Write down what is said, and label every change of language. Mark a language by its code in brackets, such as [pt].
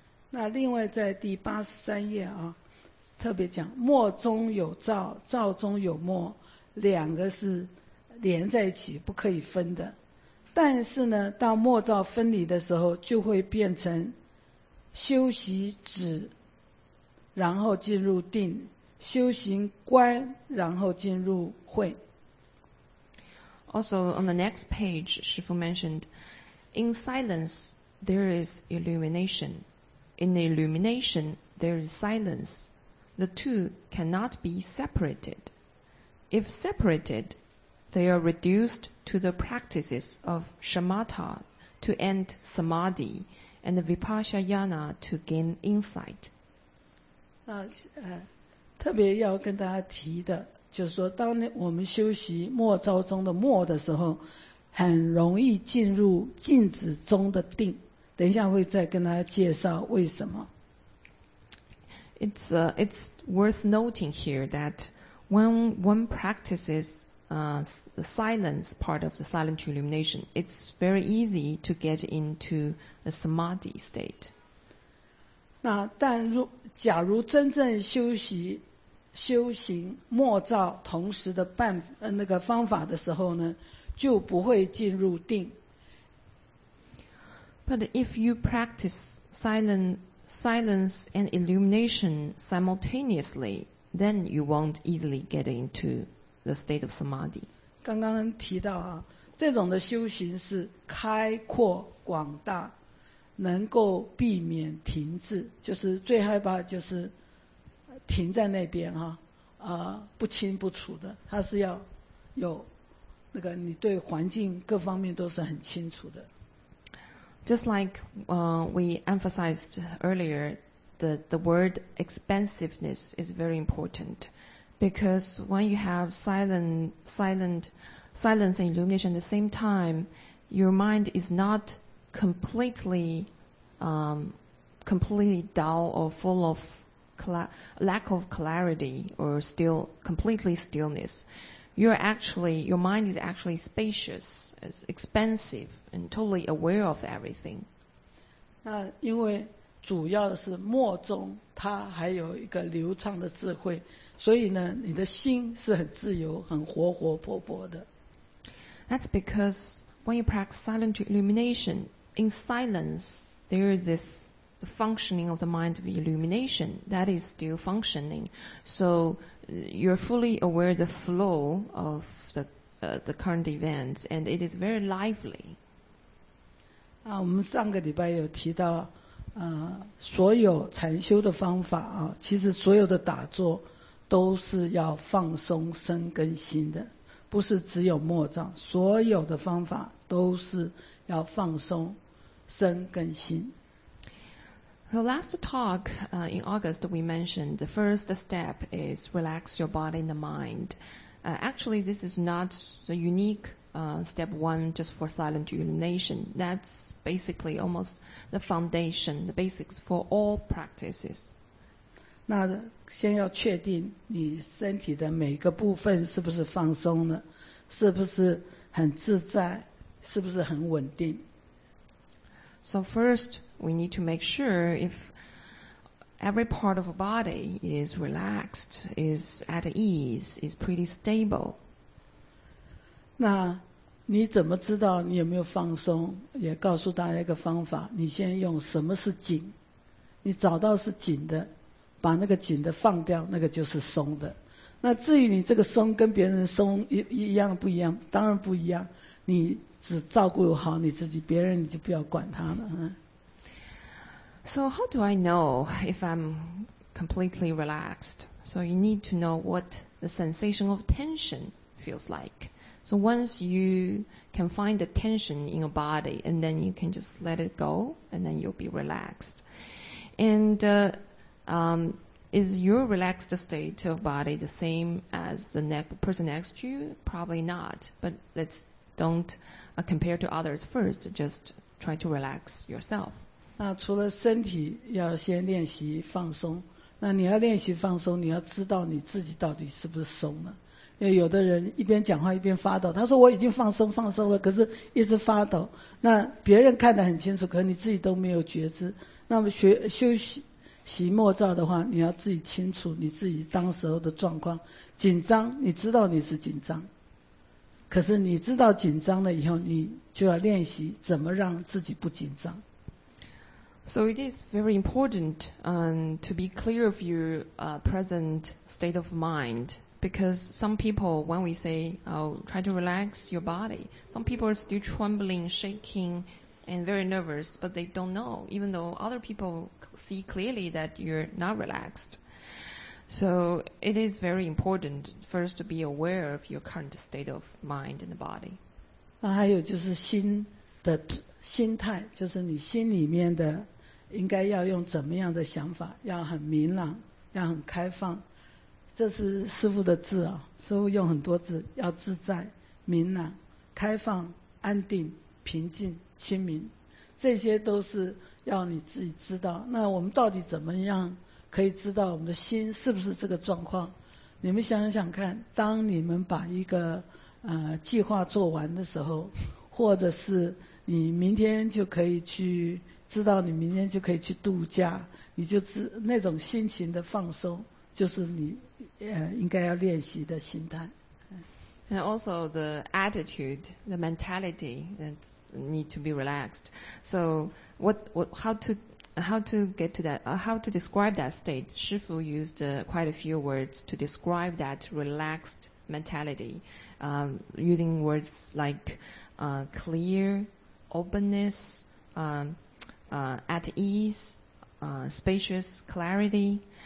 [zh] 那另外在第八十三页啊，特别讲默中有照，照中有默，两个是连在一起，不可以分的。但是呢，到默照分离的时候，就会变成修习止，然后进入定；修行观，然后进入慧。 [en] Also, on the next page, Shifu mentioned, in silence there is illumination. In illumination there is silence. The two cannot be separated. If separated, they are reduced to the practices of shamatha to end samadhi. And Vipassana to gain insight. [zh] 那特别要跟大家提的，就是说，当我们修习默照中的默的时候，很容易进入静止中的定。等一下会再跟大家介绍为什么。 [en] It's worth noting here that when one practices the silence part of the silent illumination, it's very easy to get into a samadhi state. [zh] 那但如假如真正修习修行默照同时的办那个方法的时候呢，就不会进入定。 [en] But if you practice silence and illumination simultaneously, then you won't easily get into the state of samadhi. [zh] 刚刚提到啊，这种的修行是开阔广大，能够避免停滞，就是最害怕就是停在那边啊，不清不楚的，它是要有那个你对环境各方面都是很清楚的。 [en] Just like we emphasized earlier, the word expansiveness is very important, because when you have silence and illumination at the same time, your mind is not completely dull or full of lack of clarity or still completely stillness. Your mind is actually spacious, it's expansive, and totally aware of everything. [zh] 那因为主要的是默中，它还有一个流畅的智慧，所以呢，你的心是很自由、很活活泼泼的。 [en] That's because when you practice silent illumination, in silence, there is this the functioning of the mind of illumination that is still functioning. So you're fully aware of the flow of the current events, and it is very lively. [zh] 啊，我们上个礼拜有提到，所有禅修的方法啊，其实所有的打坐都是要放松身跟心的。不是只有默障，所有的方法都是要放松身跟心。 [en] So last talk in August, we mentioned the first step is relax your body and the mind. Actually, this is not the unique step one just for silent illumination. That's basically almost the foundation, the basics for all practices. [zh] 那先要确定你身体的每个部分是不是放松的，是不是很自在，是不是很稳定。 [en] So first, we need to make sure if every part of a body is relaxed, is at ease, is pretty stable. [zh] 那你怎么知道你有没有放松？也告诉大家一个方法，你先用什么是紧，你找到是紧的，把那个紧的放掉，那个就是松的。那至于你这个松跟别人松一样不一样，当然不一样，你只照顾好你自己，别人你就不要管他了。 [en] So how do I know if I'm completely relaxed? So you need to know what the sensation of tension feels like. So once you can find the tension in your body, and then you can just let it go, and then you'll be relaxed. And is your relaxed state of body the same as the person next to you? Probably not, but let's don't compare to others first, just try to relax yourself. [zh] 那除了身体要先练习放松，那你要练习放松，你要知道你自己到底是不是松了。因为有的人一边讲话一边发抖，他说我已经放松了，可是一直发抖，那别人看得很清楚，可是你自己都没有觉知。那么休息默照的话，你要自己清楚你自己当时候的状况，紧张你知道你是紧张，可是你知道紧张了以后，你就要练习怎么让自己不紧张。 [en] So it is very important to be clear of your present state of mind, because some people when we say try to relax your body, some people are still trembling, shakingand very nervous, but they don't know, even though other people see clearly that you're not relaxed. So it is very important first to be aware of your current state of mind and the body. [zh] 那还有就是心的心态，就是你心里面的应该要用怎么样的想法，要很明朗，要很开放。这是师父的字啊，师父用很多字，要自在、明朗、开放、安定、平静、清明，这些都是要你自己知道。那我们到底怎么样可以知道我们的心是不是这个状况？你们想想看，当你们把一个计划做完的时候，或者是你明天就可以去知道你明天就可以去度假，你就知那种心情的放松，就是你应该要练习的心态。 [en] And also the attitude, the mentality that need to be relaxed. So how to describe that state? 师父 used quite a few words to describe that relaxed mentality, using words like clear, openness, at ease, spacious, clarity.